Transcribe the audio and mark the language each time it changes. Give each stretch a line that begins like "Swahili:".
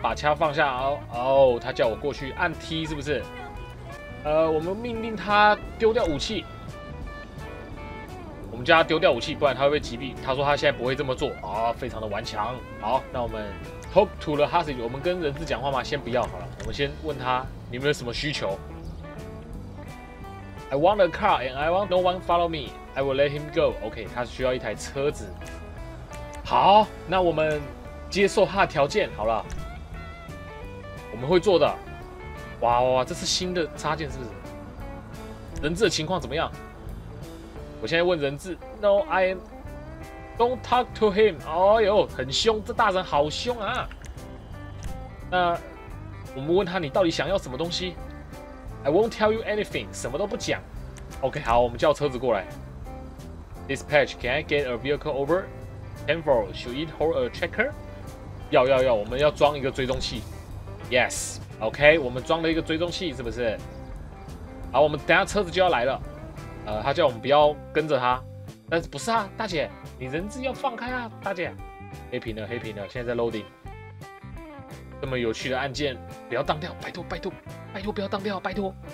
Chinese: 把枪放下哦哦，他叫我过去按 T 是不是？我们命令他丢掉武器，我们叫他丢掉武器，不然他会被击毙。他说他现在不会这么做啊、哦，非常的顽强。好，那我们
English: talk to the hostage，
Chinese: 我们跟人质讲话吗？先不要好了，我们先问他你们有什么需求 ？
English: I want a car and I want no one follow me. I will let him go. OK，
Chinese: 他需要一台车子。好，那我们接受他的条件好了，我们会做的。哇哇哇，这是新的插件是不是？人质的情况怎么样？我现在问人质。
English: No, I am. Don't talk to him.
Chinese: 哎呦，很凶，这大人好凶啊。那我们问他，你到底想要什么东西 ？
English: I won't tell you anything.
Chinese: 什么都不讲。 OK， 好，我们叫车子过来。
English: Dispatch, can I get a vehicle over? Canfor, should it hold a tracker?
Chinese: 要要要，我们要装一个追踪器。
English: Yes, OK,
Chinese: 我们装了一个追踪器，是不是？好，我们等下车子就要来了。他叫我们不要跟着他，但是不是啊，大姐，你人质要放开啊，大姐。黑屏了，黑屏了，现在在 loading。这么有趣的案件，不要当掉，拜托拜托拜托不要当掉，拜托。